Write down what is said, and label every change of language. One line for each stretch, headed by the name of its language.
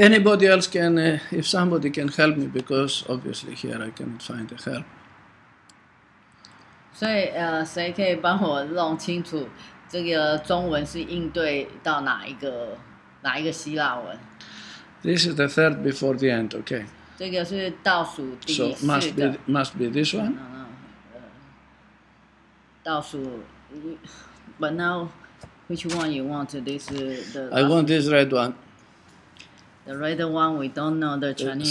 English: Anybody else can, if somebody can help me, because obviously here I cannot find the help.
Chinese: So, 谁可以帮我弄清楚这个中文是应对到哪一个希腊文?
English: This is the third before the end, okay.
Chinese: 这个是倒数第四的。
English: So, must be this one? No,
Chinese: 倒数,
English: but now... Which one you want? This the. I want this red one. The red one. We don't know the Chinese.